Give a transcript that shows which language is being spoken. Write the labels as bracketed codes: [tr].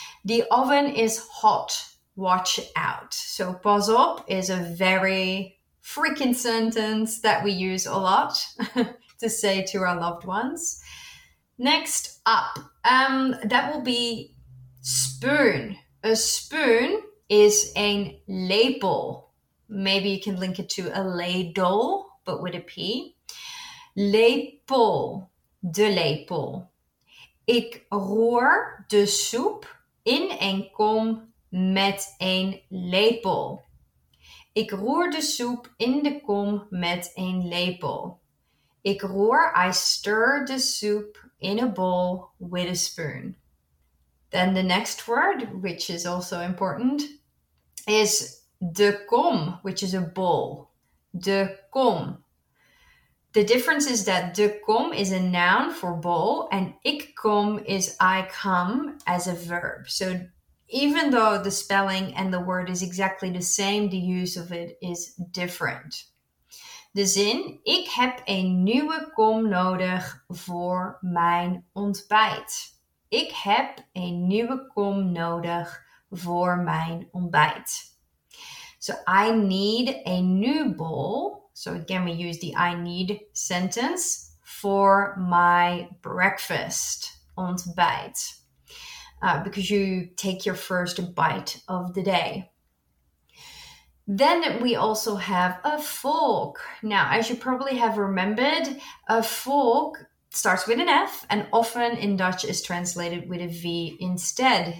[en] The oven is hot. Watch out. So [nl] pas op [en] is a very freaking sentence that we use a lot to say to our loved ones. Next up, that will be spoon. A spoon is a lepel. Maybe you can link it to a ladle, but with a P. [nl] Lepel. De lepel. Ik roer de soep in een kom met een lepel. Ik roer de soep in de kom met een lepel. Ik roer, [en] I stir the soup in a bowl with a spoon. Then the next word, which is also important, is de kom, which is a bowl. De kom. The difference is that de kom is a noun for bowl and ik kom is I come as a verb. So even though the spelling and the word is exactly the same, the use of it is different. [nl] De zin, ik heb een nieuwe kom nodig voor mijn ontbijt. Ik heb een nieuwe kom nodig voor mijn ontbijt. [en] So I need a new bowl. So again, we use the I need sentence for my breakfast, ontbijt, because you take your first bite of the day. Then we also have a fork. Now, as you probably have remembered, a fork starts with an F and often in Dutch is translated with a V instead.